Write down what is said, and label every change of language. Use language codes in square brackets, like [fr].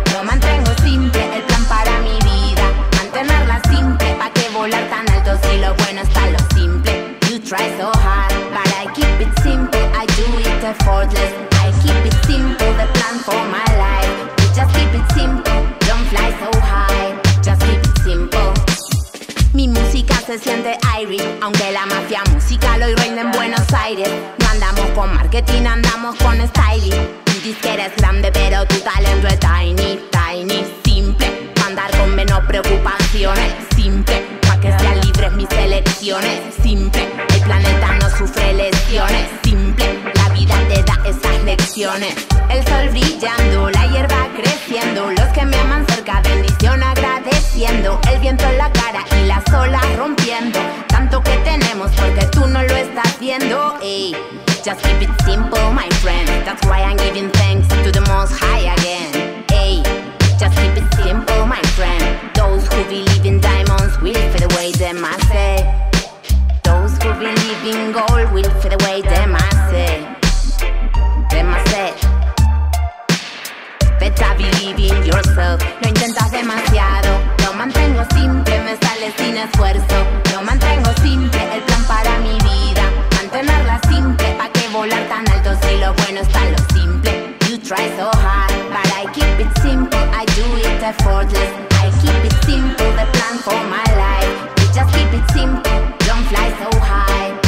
[es] Lo mantengo simple, el plan para mi vida. Mantenerla simple. Volar tan alto si lo bueno está lo simple. [en] You try so hard, but I keep it simple. I do it effortless. I keep it simple, the plan for my life. You just keep it simple, don't fly so high. Just keep it simple. [es] Mi música se siente Irish, aunque la mafia musical hoy reina en Buenos Aires. No andamos con marketing, andamos con styling. Tu disquera es grande, pero tu talento es [en] tiny, tiny. [es] Simple, andar con menos presupuesto. preocupaciones. Simple, pa' que sean libres mis elecciones. Simple, el planeta no sufre lesiones. Simple, la vida te da esas lecciones. El sol brillando, la hierba creciendo. Los que me aman cerca, bendición agradeciendo. El viento en la cara y las olas rompiendo. Tanto que tenemos porque tú no lo estás viendo. [en] Ey, just keep it simple, my friend. That's why I'm giving thanks to the Most High again. Ey, just keep it simple, my friend. Those who believe in diamonds will fade away, them I say. Those who believe in gold will fade away, them I say. Them I say. Better believe in yourself. [es] Lo intentas demasiado. Lo mantengo simple, me sale sin esfuerzo. Lo mantengo simple, el plan para mi vida. Mantenerla simple, pa' que volar tan alto si lo bueno está en lo simple. [en] You try so hard, but I keep it simple. I do it effortless. I keep it simple, the plan for my life. You just keep it simple, don't fly so high.